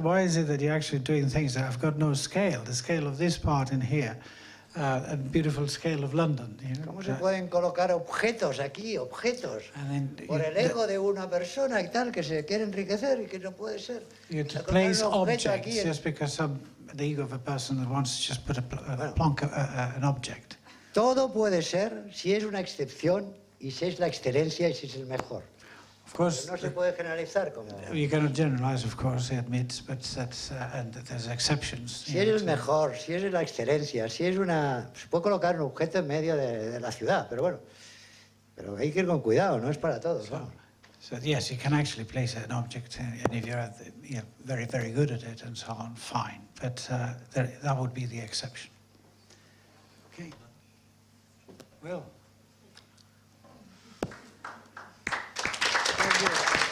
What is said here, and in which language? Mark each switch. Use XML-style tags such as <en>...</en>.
<en>Why is it that you're actually doing things that have got no scale? The scale of this part in here, and beautiful scale of London. You know.</en> <es>¿Cómo se pueden colocar objetos aquí, objetos? Por el ego de una persona y tal que se quiere enriquecer y que no puede ser.</es> <en>You to place objects just because some. The ego of a person that wants to just put an object.</en> <es>Todo puede ser si es una excepción y si es la excelencia y si es el mejor.</es> <en>Of course,</en> <es>no se puede generalizar como.</es> <en>You cannot generalize, of course, he admits, but that's and there's exceptions.</en> <es>Si es el mejor, si es la excelencia, si es una, se puede colocar un objeto en medio de la ciudad, pero bueno, pero hay que ir con cuidado, no es para todos.</es> <en>So yes, you can actually place an object, and if you're very, very good at it and so on, fine. But that would be the exception. Okay. Will. Thank you.</en>